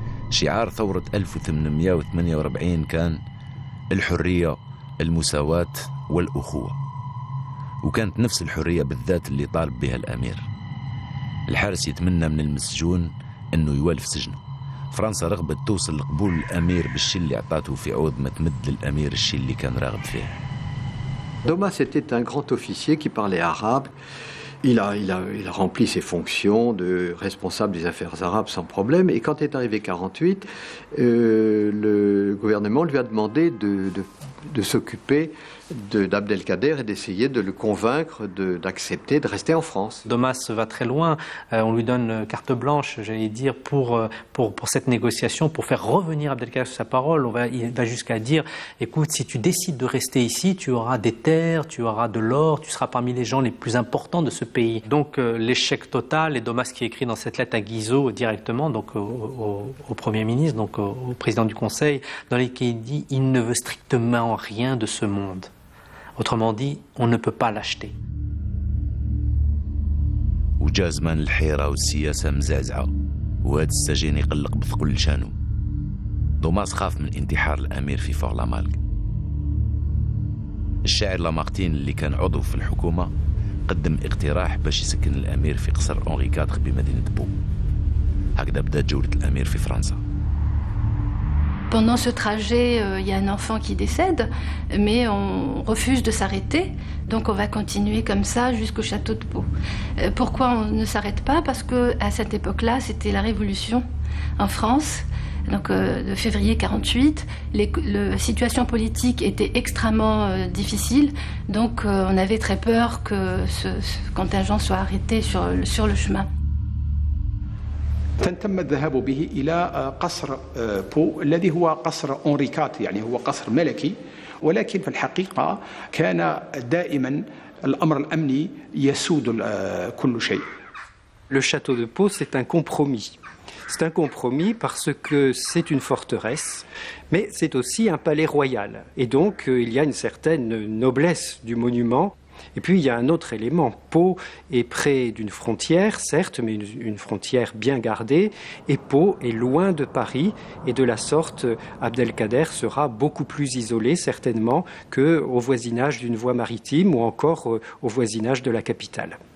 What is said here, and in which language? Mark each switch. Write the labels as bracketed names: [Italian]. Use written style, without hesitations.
[Arabic] شعار ثورة 1848 كان الحرية، المساواة والأخوة، وكانت نفس الحرية بالذات اللي طالب بها الأمير. الحارس يتمنى من المسجون أنه يوالف سجنه. فرنسا رغبت توصل لقبول الأمير بالشي اللي أعطاته في عوض ما تمد للأمير الشي اللي كان راغب فيه. [French] Domas était un grand officier qui parlait arabe. Il a rempli ses fonctions de responsable des affaires arabes sans problème. Et quand est arrivé 48, le gouvernement lui a demandé de s'occuper d'Abdelkader et d'essayer de le convaincre d'accepter de rester en France. Domas va très loin. On lui donne carte blanche, j'allais dire, pour cette négociation, pour faire revenir Abdelkader sur sa parole. Il va jusqu'à dire, écoute, si tu décides de rester ici, tu auras des terres, tu auras de l'or, tu seras parmi les gens les plus importants de ce pays. Donc l'échec total, et Domas qui écrit dans cette lettre à Guizot directement, donc au Premier ministre, donc au président du Conseil, dans lequel il dit il ne veut strictement rien de ce monde. Autrement dit, on ne peut pas l'acheter. [Arabic] وجا زمان الحيرة والسياسة مزعزعة، وهاد السجين يقلق بثقل شانو. دوماس خاف من انتحار الأمير في فور لامالك. الشاعر لامارتين اللي كان عضو في الحكومة قدم اقتراح باش يسكن الأمير في قصر أونغي كادغ بمدينة بو. هكذا بدأت جولة الأمير في فرنسا. [French] Pendant ce trajet, il y a un enfant qui décède, mais on refuse de s'arrêter. Donc on va continuer comme ça jusqu'au château de Pau. Pourquoi on ne s'arrête pas? Parce qu'à cette époque-là, c'était la Révolution en France, donc de février 48. La situation politique était extrêmement difficile, donc on avait très peur que ce contingent soit arrêté sur le chemin. [Arabic] تم الذهاب به إلى قصر بو الذي هو قصر أونريكات، يعني هو قصر ملكي، ولكن في الحقيقة كان دائما الأمر الأمني يسود كل شيء. [French] Le château de Pau, c'est un compromis. C'est un compromis parce que c'est une forteresse, mais c'est aussi un palais royal. Et donc il y a une certaine noblesse du monument. Et puis il y a un autre élément, Pau est près d'une frontière, certes, mais une frontière bien gardée, et Pau est loin de Paris, et de la sorte, Abdelkader sera beaucoup plus isolé, certainement, qu'au voisinage d'une voie maritime ou encore au voisinage de la capitale.